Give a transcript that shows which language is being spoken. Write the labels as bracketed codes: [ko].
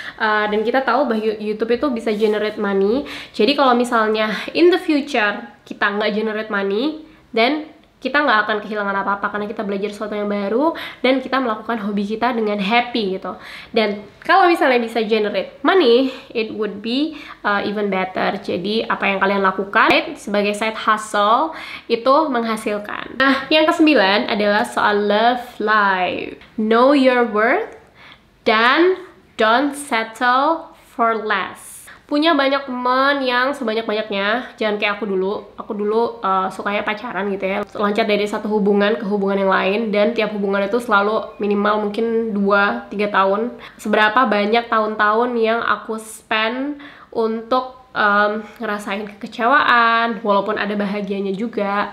[id] Dan kita tahu bahwa YouTube itu bisa generate money. Jadi kalau misalnya in the future kita nggak generate money, then kita nggak akan kehilangan apa-apa karena kita belajar sesuatu yang baru dan kita melakukan hobi kita dengan happy gitu. [en] Dan kalau misalnya bisa generate money, it would be even better. [id] Jadi apa yang kalian lakukan sebagai side hustle itu menghasilkan. Nah, yang kesembilan adalah soal love life. [en] Know your worth dan don't settle for less. [id] punya banyak teman yang sebanyak-banyaknya, jangan kayak aku dulu. Aku dulu sukanya pacaran gitu ya, loncat dari satu hubungan ke hubungan yang lain, dan tiap hubungan itu selalu minimal mungkin 2-3 tahun. Seberapa banyak tahun-tahun yang aku spend untuk ngerasain kekecewaan, walaupun ada bahagianya juga.